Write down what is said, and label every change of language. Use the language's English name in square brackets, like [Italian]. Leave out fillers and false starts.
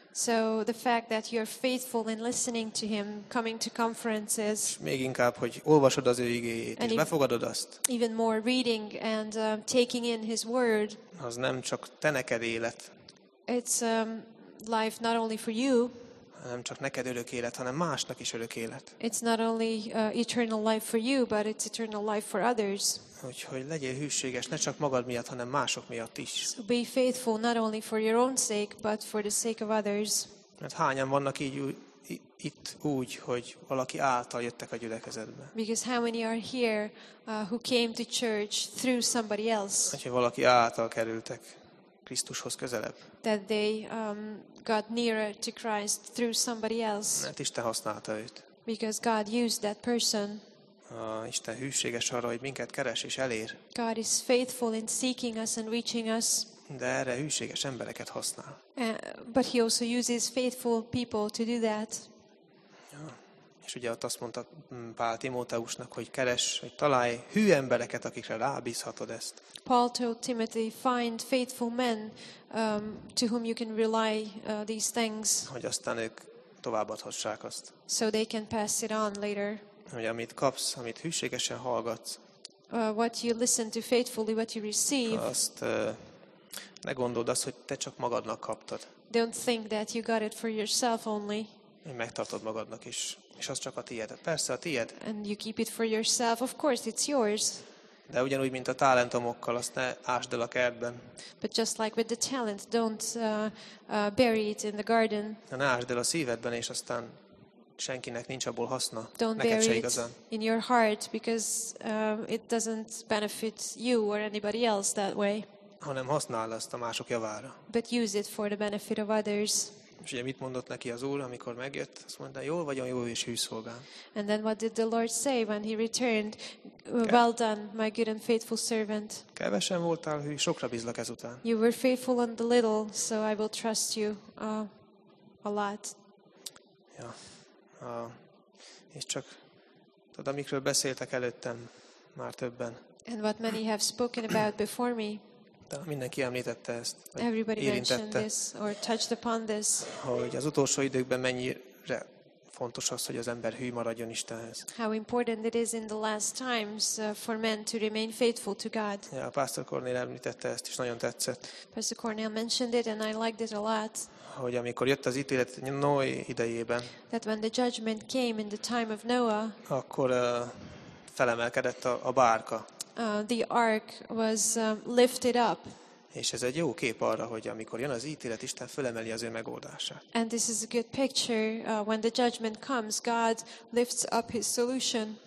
[English] So the fact that you're faithful in listening to him, coming to conferences. [Hungarian] Még inkább, hogy olvasod az ő igéjét, és befogadod azt. [English] Even more reading and taking in his word. [Hungarian] Az nem csak te neked élet. [English] It's life not only for you. [Hungarian] Nem csak neked örök élet, hanem másnak is örök élet. [English] It's not only eternal life for you, but it's eternal life for others. [Hungarian] Úgyhogy legyél hűséges, ne csak magad miatt, hanem mások miatt is. [English] So be faithful not only for your own sake, but for the sake of others. [Hungarian] Mert hányan vannak így itt úgy, hogy valaki által jöttek a gyülekezetbe? [English] Because how many are here who came to church through somebody else? [Hungarian] Úgyhogy valaki által kerültek Krisztushoz közelebb. [English] That they got nearer to Christ through somebody else. [Hungarian] Mert Isten használta őt. [English] Because God used that person. [Hungarian] Isten hűséges arra, hogy minket keres és elér. [English] God is faithful in seeking us and reaching us. [Hungarian] De erre hűséges embereket használ. [English] But he also uses faithful people to do that. Ja. [Hungarian] És ugye ott azt mondta Pál Timóteusnak, hogy keres, hogy találj hű embereket, akikre rábízhatod ezt. [English] Paul told Timothy, find faithful men to whom you can rely these things. [Hungarian] Hogy aztán ők továbbadhassák azt. [English] So they can pass it on later. [Hungarian] Hogy amit kapsz, amit hűségesen hallgatsz. [English] What you listen to faithfully, what you receive. [Hungarian] Azt ne gondold azt, hogy te csak magadnak kaptad. [English] Don't think that you got it for yourself only. [Hungarian] Én megtartod magadnak is, és az csak a tied. Persze a tied. [English] And you keep it for yourself, of course it's yours. [Hungarian] De ugyanúgy, mint a talentomokkal, azt ne ásd el a kertben. [English] But just like with the talent, don't bury it in the garden. [Hungarian] Ne ásd el a szívedben, és aztán senkinek nincs abból haszna. [English] Don't [Hungarian] neked [English] bury [Hungarian] se igazán. [English] It in your heart because it doesn't benefit you or anybody else that way. [Hungarian] Hanem használd azt a mások javára. [English] But use it for the benefit of others. [Hungarian] És ugye mit mondott neki az Úr, amikor megjött? Azt mondta, jól vagyon, jó és hű szolgám. [English] And then what did the Lord say when he returned? Well done, my good and faithful servant. [Hungarian] Kevesen voltál hű, sokra bízlak ezután. [English] You were faithful on the little, so I will trust you a lot. Ja. [Hungarian] És csak tudod, amikről beszéltek előttem már többen. [English] And what many have spoken about before me. [Hungarian] Talán mindenki említette ezt, [English] everybody [Hungarian] érintette, [English] mentioned this or touched upon this. [Hungarian] Hogy az utolsó időkben mennyire fontos az, hogy az ember hű maradjon Istenhez. [English] How important it is in the last times for men to remain faithful to God. [Hungarian] Ja, Pastor Cornél említette ezt, és nagyon tetszett. [English] Pastor Cornél mentioned it, and I liked it a lot. [Hungarian] Hogy amikor jött az ítélet Noé idejében. [English] That when the judgment came in the time of Noah. [Hungarian] Akkor felemelkedett a bárka. [English] The ark was lifted up. [Hungarian] És ez egy jó kép arra, hogy amikor jön az ítélet, Isten fölemeli az ő megoldását. [English] And this is a good picture when the judgment comes, God lifts up his solution.